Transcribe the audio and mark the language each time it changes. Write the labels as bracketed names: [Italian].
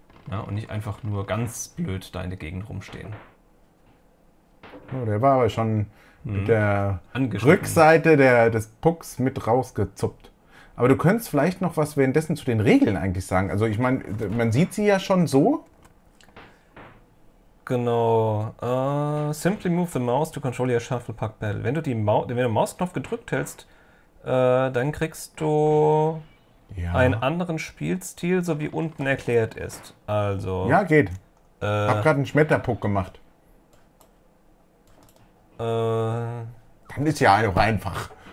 [German] Ja, und nicht einfach nur ganz blöd da in der Gegend rumstehen. Oh, der war aber schon mit der Rückseite des Pucks mit rausgezuppt. Aber du könntest vielleicht noch was währenddessen zu den Regeln eigentlich sagen. Also ich meine, man sieht sie ja schon so. Genau. [English] Simply move the mouse to control your shuffle pack pedal. [German] Wenn du die Maus, wenn du den Mausknopf gedrückt hältst, dann kriegst du einen Ja. anderen Spielstil, so wie unten erklärt ist. Ja, Also, geht. Hab gerade einen Schmetterpuck gemacht. Dann ist ja auch einfach.